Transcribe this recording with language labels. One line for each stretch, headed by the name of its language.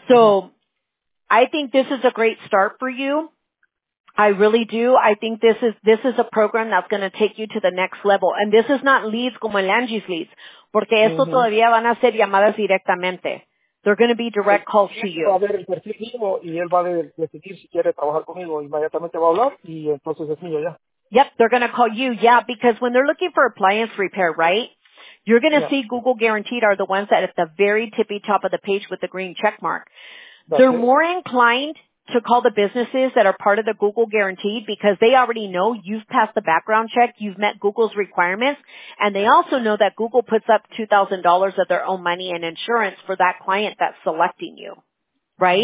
English: So I think this is a great start for you. I really do. I think this is a program that's going to take you to the next level. And this is not leads
Spanish: como el Angie's leads, porque esto todavía van a ser llamadas directamente.
English: They're going to be direct calls to you.
Spanish: Va a ver el perfil mismo y él va a decidir si quiere trabajar conmigo. Inmediatamente va a hablar y entonces es mío ya.
English: Yep, they're going to call you. Yeah, because when they're looking for appliance repair, right? You're going to see Google Guaranteed are the ones that at the very tippy top of the page with the green check mark. They're more inclined to call the businesses that are part of the Google Guaranteed because they already know you've passed the background check, you've met Google's requirements, and they also know that Google puts up $2,000 of their own money in insurance for that client that's selecting you, right?